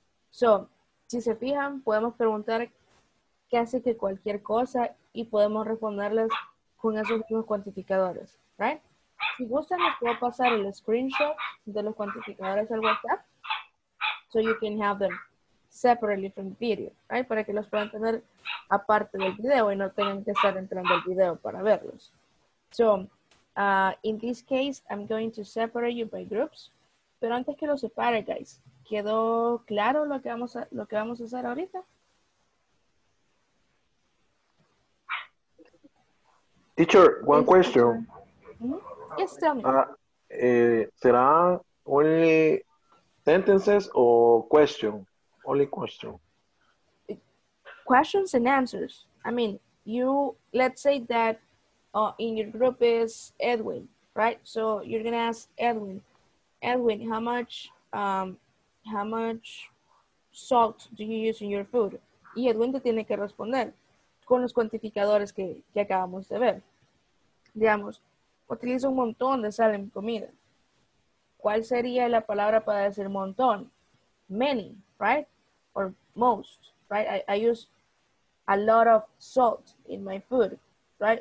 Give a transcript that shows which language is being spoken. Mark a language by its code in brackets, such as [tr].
[es] So, si se fijan, podemos preguntar casi que cualquier cosa y podemos responderles con esos mismos cuantificadores, right? Si gustan, les puedo pasar el screenshot de los cuantificadores al WhatsApp [en] so you can have them separately from the video, right? [es] Para que los puedan tener aparte del video y no tengan que estar entrando al video para verlos. So, [en] In this case, I'm going to separate you by groups. [es] Pero antes que lo separe, guys, ¿quedó claro lo que vamos a hacer ahorita? [en] Teacher, one question. Mm-hmm. Yes, tell me. ¿Será only sentences or question? Only question. Questions and answers. I mean, you, let's say that in your group is Edwin, right? So you're going to ask Edwin, Edwin, how much salt do you use in your food? [es] Y Edwin te tiene que responder con los cuantificadores que acabamos de ver. Digamos, utiliza un montón de sal en comida. ¿Cuál sería la palabra para decir montón? [en] Many, right? Or most, right? I use a lot of salt in my food, right?